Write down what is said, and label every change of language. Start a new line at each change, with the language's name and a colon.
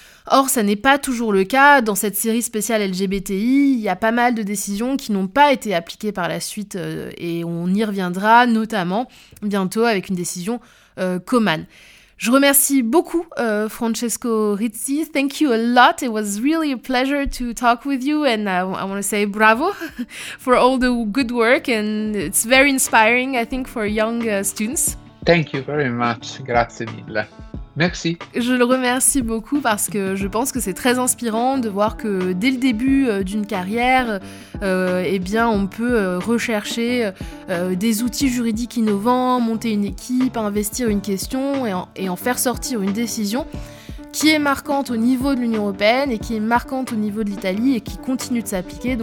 French: Or, ça n'est pas toujours le cas. Dans cette série spéciale LGBTI, il y a pas mal de décisions qui n'ont pas été appliquées par la suite, et on y reviendra notamment bientôt avec une décision Coman. Je remercie beaucoup Francesco Rizzi.
English: Thank you a lot. It was really a pleasure to talk with you. And I want to say bravo for all the good work. And it's very inspiring, I think, for young students. Thank you very much.
Italian: Grazie mille.
English: Merci.
French: Je le remercie beaucoup parce que je pense que c'est très inspirant de voir que dès le début d'une carrière, on peut rechercher des outils juridiques innovants, monter une équipe, investir une question et en faire sortir une décision qui est marquante au niveau de l'Union européenne et qui est marquante au niveau de l'Italie et qui continue de s'appliquer.